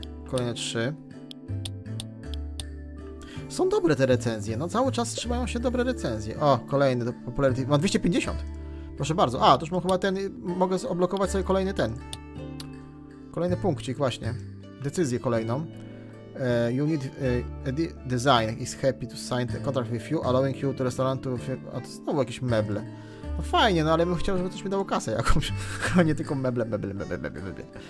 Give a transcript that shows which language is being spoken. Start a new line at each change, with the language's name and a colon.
Polish: Kolejne 3. Są dobre te recenzje, no cały czas trzymają się dobre recenzje. O, kolejny do popularity. Ma 250. Proszę bardzo. A, to już mam chyba ten. Mogę odblokować sobie kolejny ten. Kolejny punkcik, właśnie. Decyzję kolejną.
English: Unit design is happy to sign the contract with you, allowing you to restaurant to.
Polish: A to znowu jakieś meble. No fajnie, no ale bym chciał, żeby coś mi dało kasę jakąś, a nie tylko meble, meble, meble, meble, meble.